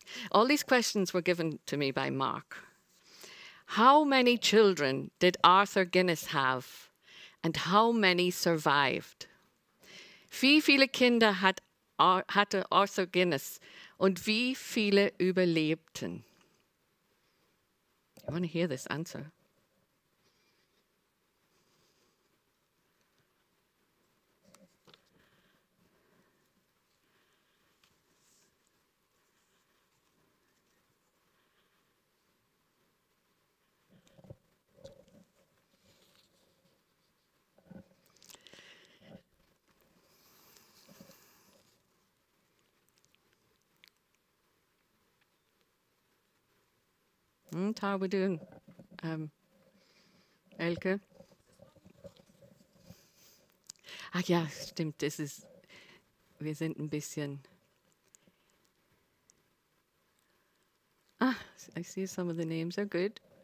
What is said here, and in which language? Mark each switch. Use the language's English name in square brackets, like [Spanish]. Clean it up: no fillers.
[English] All these questions were given to me by Mark. How many children did Arthur Guinness have and how many survived? [German] Wie viele Kinder hatte Arthur Guinness und wie viele überlebten? [English] I want to hear this answer. And how are we doing, Elke? [German] Ach ja, stimmt, das ist, wir sind ein bisschen. [English] Ah, I see some of the names are good.